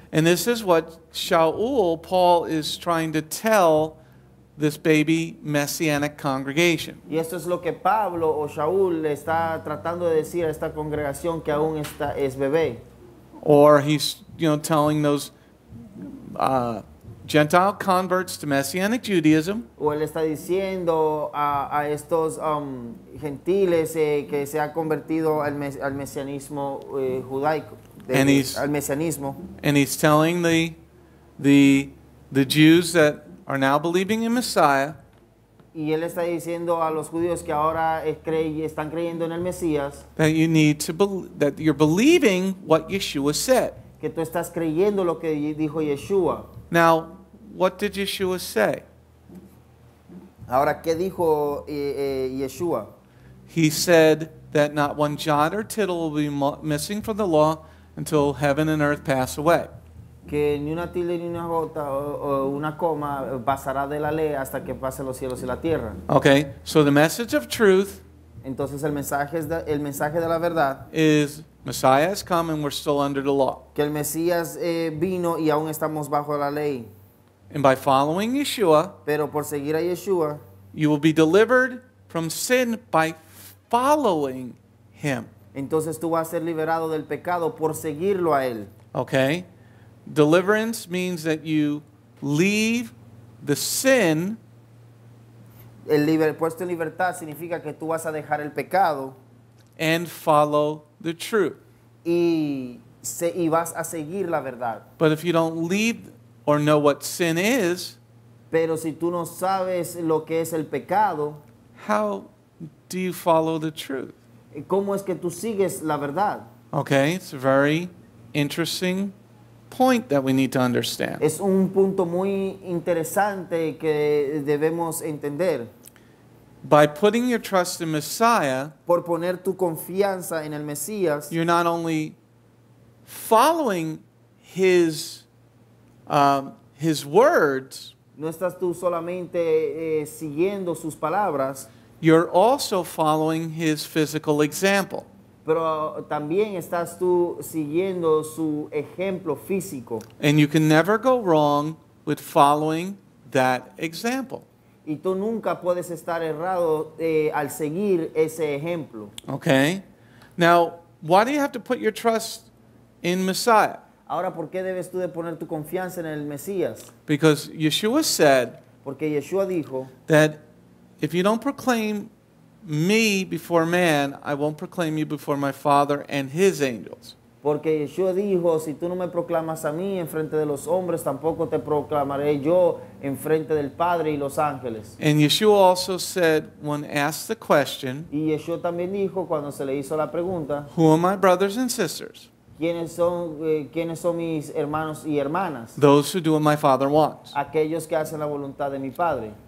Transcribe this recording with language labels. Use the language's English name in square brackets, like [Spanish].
[English] And this is what Sha’ul, Paul, is trying to tell this baby messianic congregation. [Spanish] Y esto es lo que Pablo o Sha’ul le está tratando de decir a esta congregación que aún está es bebé. [English] Or he's, you know, telling those Gentile converts to messianic Judaism. [Spanish] O él está diciendo a estos gentiles que se ha convertido al mesianismo judaico. [English] And he's telling the Jews that are now believing in Messiah. [Spanish] Y él está diciendo a los judíos que ahora están creyendo en el Mesías. [English] That you need to that you're believing what Yeshua said. [Spanish] Que tú estás creyendo lo que dijo Yeshua. [English] Now, what did Yeshua say? [Spanish] Ahora, ¿qué dijo Yeshua? [English] He said that not one jot or tittle will be missing from the law until heaven and earth pass away. [Spanish] Que ni una tilde ni una jota o una coma pasará de la ley hasta que pasen los cielos y la tierra. [English] Okay, so the message of truth. [Spanish] Entonces el mensaje de la verdad. [English] Is Messiah has come and we're still under the law. [Spanish] Que el Mesías vino y aún estamos bajo la ley. [English] And by following Yeshua, [Spanish] pero por seguir a Yeshua, [English] you will be delivered from sin by following him. [Spanish] Entonces tú vas a ser liberado del pecado por seguirlo a él. [English] Okay. Deliverance means that you leave the sin. [Spanish] El puesto en libertad significa que tú vas a dejar el pecado. [English] And follow the truth. [Spanish] Y vas a seguir la verdad. [English] But if you don't leave or know what sin is, [Spanish] pero si tú no sabes lo que es el pecado, [English] how do you follow the truth? [Spanish] ¿Cómo es que tú sigues la verdad? [English] Okay, it's a very interesting point that we need to understand. [Spanish] Es un punto muy interesante que debemos entender. [English] By putting your trust in Messiah, [Spanish] por poner tu confianza en el Mesías, [English] you're not only following his words, [Spanish] no estás tú solamente siguiendo sus palabras, [English] you're also following his physical example. [Spanish] Pero también estás tú siguiendo su ejemplo físico. [English] And you can never go wrong with following that example. [Spanish] Y tú nunca puedes estar errado al seguir ese ejemplo. [English] Okay. Now, why do you have to put your trust in Messiah? [Spanish] Ahora, ¿por qué debes tú de poner tu confianza en el Mesías? [English] Because Yeshua said, [Spanish] porque Yeshua dijo, [English] that if you don't proclaim me before man, I won't proclaim you before my Father and his angels. [Spanish] Porque Yeshua dijo, si tú no me proclamas a mí en frente de los hombres, tampoco te proclamaré yo en frente del Padre y los ángeles. [English] And Yeshua also said, when asked the question, [Spanish] y Yeshua también dijo cuando se le hizo la pregunta, [English] who are my brothers and sisters? [Spanish] ¿Quiénes son mis hermanos y hermanas? [English] Those who do what my Father wants. [Spanish] Aquellos que hacen la voluntad de mi Padre.